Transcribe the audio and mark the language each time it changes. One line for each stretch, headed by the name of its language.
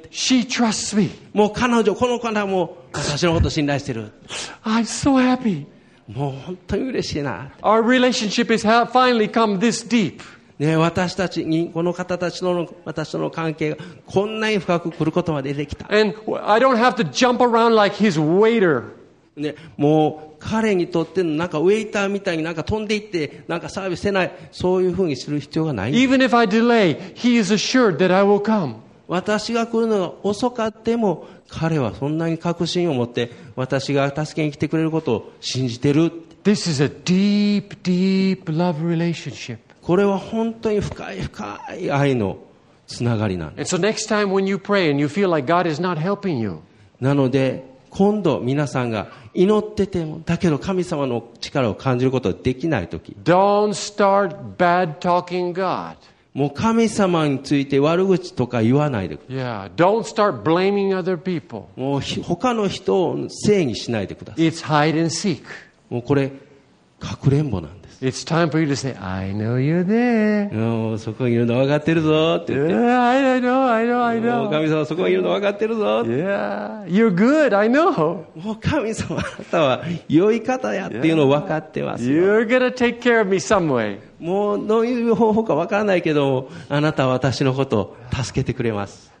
English: She trusts me.
Japanese: もう彼女、この子はもう私のことを信頼してる。
English: I'm so happy.
Japanese: もう本当に嬉しいな。
English: Our relationship has finally come this deep.
Japanese: ね、私たちにこの方たちとの私との関係がこんなに深く来ることまでできた。
English: And I don't have to jump around like his waiter.
Japanese: ね、もう彼にとってのなんかウェイターみたいになんか飛んでいってなんかサービスせないそういうふうにする必要がない。
English: Even if I delay, he is assured that I will come.
Japanese: 私が来るのが遅かっても彼はそんなに確信を持って私が助けに来てくれることを信じてる。
English: This is a deep, deep love relationship.
Japanese: これは本当に深い深い愛のつながりなんです。
English: And so next time when you pray and you feel like God is not helping you.
Japanese: なので今度皆さんが祈っててもだけど神様の力を感じることができないとき、
English: Don't start bad talking God.
Japanese: もう神様について悪口とか言わないでください。
English: Yeah, don't start blaming other people.
Japanese: もう他の人をせいにしないでください。
English: It's hide and seek.
Japanese: もうこれかくれんぼなんです。
English: It's time for you to say, I know you're there.
Japanese: もうそこにいるの分かってるぞって言って。
English: I know, I know, I know.
Japanese: もう神様そこにいるの分かってるぞ。
English: Yeah, you're good. I know.
Japanese: もう神様あなたは良い方やっていうのを分かってますよ。
English: You're gonna take care of me some way.
Japanese: もうどういう方法か分からないけどあなたは私のことを助けてくれます。